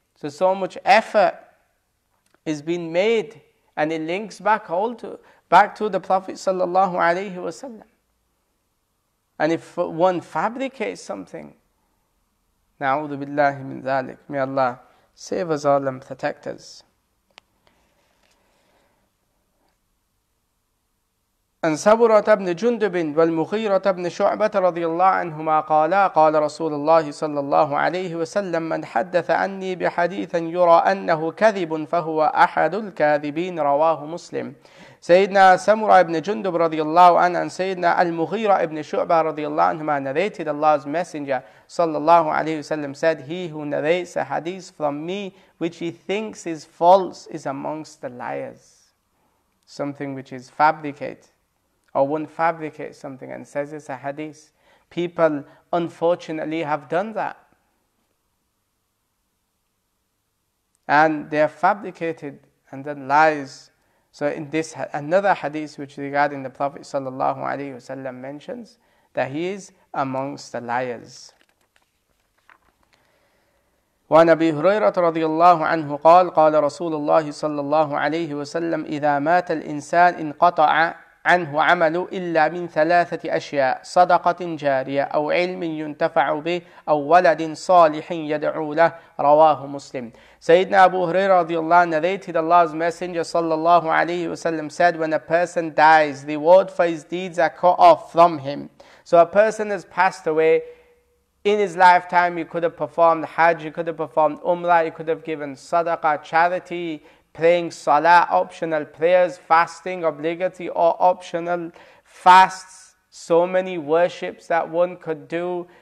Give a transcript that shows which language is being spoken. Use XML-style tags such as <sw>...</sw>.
<en>So much effort is being made, and it links back all to back to the Prophet sallallahu alaihi wasallam. And if one fabricates something,</en> <ar>na'udhu billahi min dhalik.</ar> <en>May Allah save us all and protect us.</en> <ar>أن سبرة بن جندب والمغيرة بن شعبة رضي الله عنهما قالا قال رسول الله صلى الله عليه وسلم من حدث عني بحديث يرى أنه كذب فهو أحد الكاذبين رواه مسلم. سيدنا سمرة بن جندب رضي الله عنه عن سيدنا المغيرة بن شعبة رضي الله عنهما</ar> <en>narrated Allah's messenger</en> <ar>صلى الله عليه وسلم</ar> <en>said, he who narrates a hadith from me which he thinks is false is amongst the liars, something which is fabricated. Or one fabricates something and says it's a hadith. People unfortunately have done that. and they are fabricated and then lies. So in this another hadith which regarding the Prophet sallallahu alaihi wasallam mentions that he is amongst the liars.</en> <ar>وعن أبي هريرة رضي الله عنه قال قال رسول الله صلى الله عليه وسلم إذا مات الإنسان انقطع عنه عمل إلا من ثلاثة أشياء صدقة جارية أو علم ينتفع به أو ولد صالح يدعو له رواه مسلم. سيدنا أبو هريرة رضي الله عنه</ar> <en>narrated Allah's messenger</en> <ar>صلى الله عليه وسلم</ar> <en>said when a person dies the reward for his deeds are cut off from him. So a person has passed away. In his lifetime, he could have performed Hajj, he could have performed Umrah, he could have given sadaqah, charity, praying salah, optional prayers, fasting, obligatory or optional fasts, so many worships that one could do.</en>